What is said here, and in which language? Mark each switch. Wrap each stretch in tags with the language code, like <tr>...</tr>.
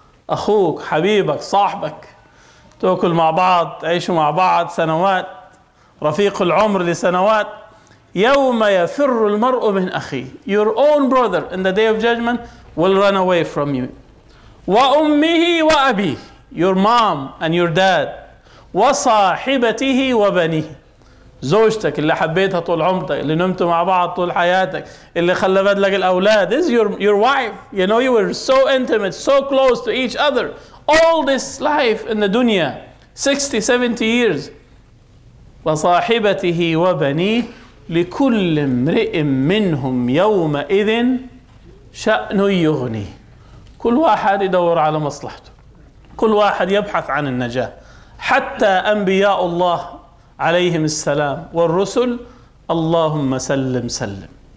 <ar>أخوك، حبيبك، صاحبك، تأكل مع بعض، تعيشوا مع بعض سنوات، رفيق العمر لسنوات. يوم يفر المرء من أخيه.</ar> <en>Your own brother in the day of judgment will run away from you.</en> <ar>وأمه وأبيه.</ar> <en>Your mom and your dad.</en> <ar>وصاحبته وبنيه. زوجتك اللي حبيتها طول عمرك، اللي نمتوا مع بعض طول حياتك، اللي خلفت لك الأولاد.</ar> <en>This is your wife. You know, you were so intimate, so close to each other. All this life in the dunya, 60, 70 years.</en> <ar>وصاحبته وبنيه لكل امرئ منهم يومئذ شأن يغني. كل واحد يدور على مصلحته، كل واحد يبحث عن النجاة. حتى أنبياء الله عليهم السلام والرسل، اللهم سلم سلم.</ar>